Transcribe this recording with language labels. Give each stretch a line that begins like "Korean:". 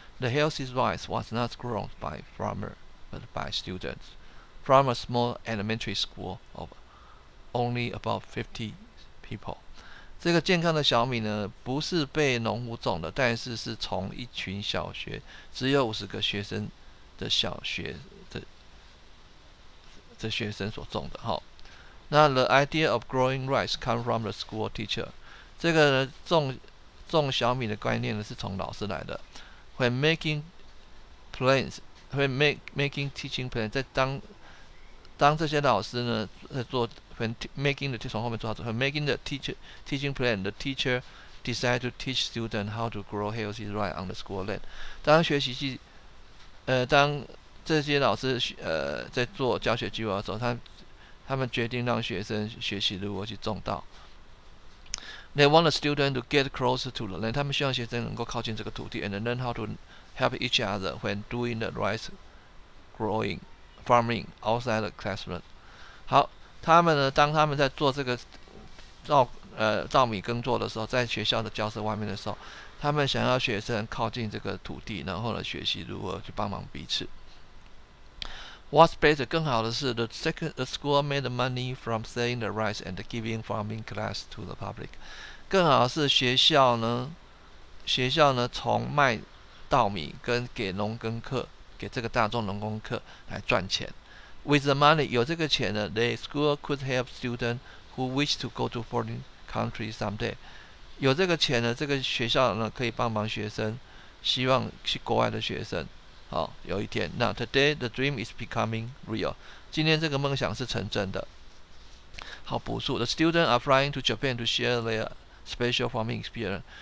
English: The healthy rice was not grown by farmer， but by students from a small elementary school of only about 50 people。
Chinese: 这个健康的小米呢，不是被农夫种的，但是是从一群小学只有50个学生的小学的学生所种的哈。
English: 那 the idea of growing rice come from the school teacher，
Chinese: 这个呢种小米的观念呢是从老师来的。
English: When making plans， when making teaching plans，
Chinese: 在当这些老师呢在做。
English: When making the
Chinese: 从后面做好做
English: ，When making the teaching plan， the teacher decide to teach students how to grow healthy rice on the school land。
Chinese: 当学习计，当这些老师在做教学计划的时候，他们决定让学生学习如何去种稻。
English: They want the student to get closer to the land。
Chinese: 他们希望学生能够靠近这个土地
English: ，and learn how to help each other when doing the rice growing farming outside the classroom。
Chinese: 好。他们呢？当他们在做这个稻米耕作的时候，在学校的教室外面的时候，他们想要学生靠近这个土地，然后呢学习如何去帮忙彼此。
English: What's better？
Chinese: 更好的是
English: ，the school made money from selling the rice and giving farming class to the public。
Chinese: 更好的是学校呢从卖稻米跟给这个大众农工课来赚钱。
English: With the money，
Chinese: 有这个钱呢
English: ，the school could help students who wish to go to foreign country someday。
Chinese: 有这个钱呢，这个学校呢可以帮忙学生，希望去国外的学生。好，有一天，那
English: today the dream is becoming real。
Chinese: 今天这个梦想是成真的。好，补述
English: the students are flying to Japan to share their special farming experience。